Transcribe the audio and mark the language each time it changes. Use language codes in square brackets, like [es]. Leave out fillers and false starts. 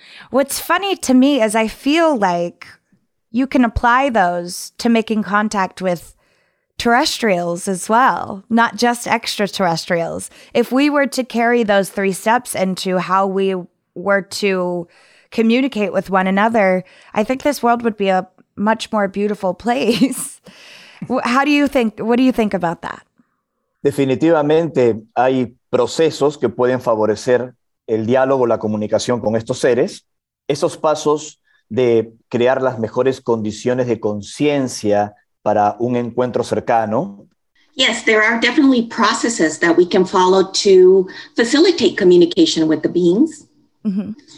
[en] What's funny to me is I feel like you can apply those to making contact with terrestrials as well, not just extraterrestrials. If we were to carry those three steps into how we were to communicate with one another, I think this world would be a much more beautiful place. What do you think about that? [es] Definitivamente hay procesos que pueden favorecer el diálogo, la comunicación con estos seres. Esos pasos de crear las mejores condiciones de conciencia para un encuentro cercano. [en] Yes, there are definitely processes that we can follow to facilitate communication with the beings. Mm-hmm.